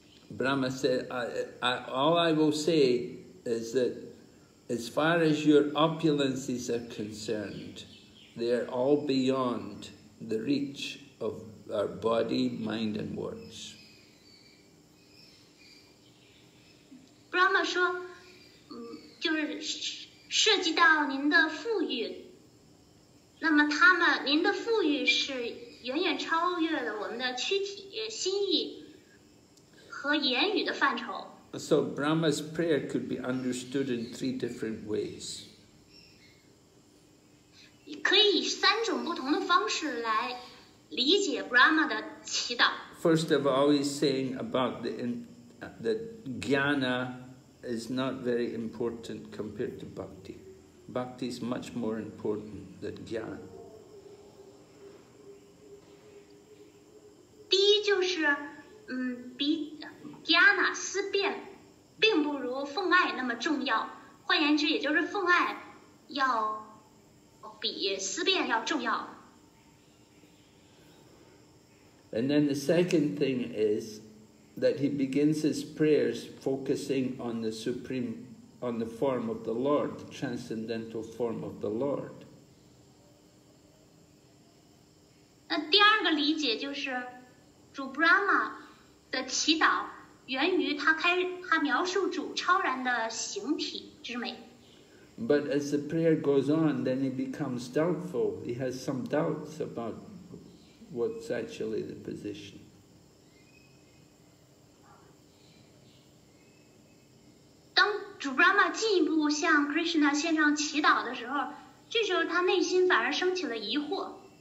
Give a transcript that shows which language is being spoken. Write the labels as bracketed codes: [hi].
[en] Brahma said, all I will say is that as far as your opulences are concerned, they are all beyond the reach of our body, mind, and words. [zh] Brahma 说，就是涉及到您的富裕，那么他们，您的富裕是远远超越了我们的躯体心意。和言语的范畴。 [en] So Brahma's prayer could be understood in three different ways. [zh] 可以以三种不同的方式来理解 Brahma 的祈祷。 [en] First of all, he's saying about the jnana is not very important compared to bhakti. Bhakti is much more important than jnana. [zh] 第一就是，比 jnana 思辨并不如奉爱那么重要。换言之，也就是奉爱要比思辨要重要。 [en] And then the second thing is that he begins his prayers focusing on the supreme, on the form of the Lord, the transcendental form of the Lord. [zh] 那第二个理解就是，主 Brahma 的祈祷源于他描述主超然的形体之美。 [en] But as the prayer goes on, then he becomes doubtful. He has some doubts about. What's actually the position? [zh] 当主 Brahma 进一步向 Krishna 献上祈祷的时候，这时候他内心反而升起了疑惑。